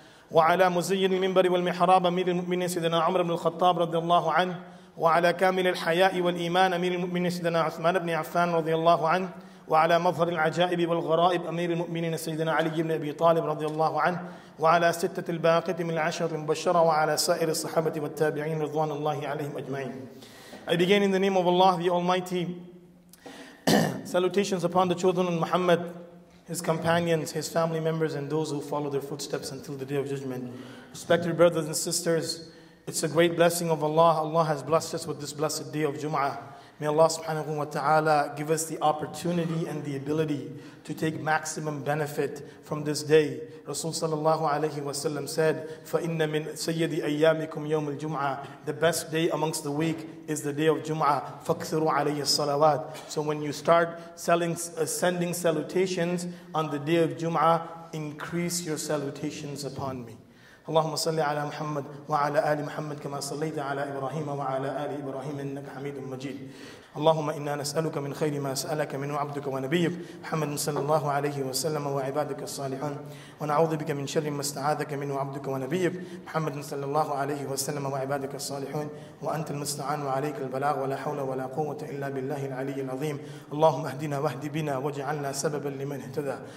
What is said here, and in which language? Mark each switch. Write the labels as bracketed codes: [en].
[ar] وعلى مزين المنبر والمحراب أمير المؤمنين سيدنا عمر بن الخطاب رضي الله عنه وعلى كامل الحياء والإيمان أمير المؤمنين سيدنا عثمان بن عفان رضي الله عنه وعلى مظهر العجائب والغرائب أمير المؤمنين سيدنا علي بن أبي طالب رضي الله عنه وعلى ستة الباقة من العشر المبشرة وعلى سائر الصحابة والتابعين رضوان الله عليهم أجمعين. [en] I begin in the name of Allah, the Almighty. Salutations upon the children of Muhammad, his companions, his family members, and those who follow their footsteps until the Day of Judgment. Respected brothers and sisters, it's a great blessing of Allah. Allah has blessed us with this blessed day of Jum'ah. May Allah subhanahu wa ta'ala give us the opportunity and the ability to take maximum benefit from this day. Rasul sallallahu alayhi wa sallam said, [ar] فَإِنَّ مِنْ سَيِّدِ أَيَّامِكُمْ يَوْمُ الْجُمْعَةِ [en] The best day amongst the week is the day of Jum'ah. [ar] فَكْثِرُوا عَلَيَّ الصَّلَوَاتِ [en] So when you start sending salutations on the day of Jum'ah, increase your salutations upon me. [ar] اللهم صل على محمد وعلى آل محمد كما صليت على إبراهيم وعلى آل إبراهيم إنك حميد مجيد اللهم إنا نسألك من خير ما سألك من عبدك ونبيك محمد صلى الله عليه وسلم وعبادك الصالحون ونعوذ بك من شر ما استعاذك من عبدك ونبيك محمد صلى الله عليه وسلم وعبادك الصالحون وأنت المستعان وعليك البلاغ ولا حول ولا قوة إلا بالله العلي العظيم اللهم اهدنا واهد بنا واجعلنا سببا لمن اهتدى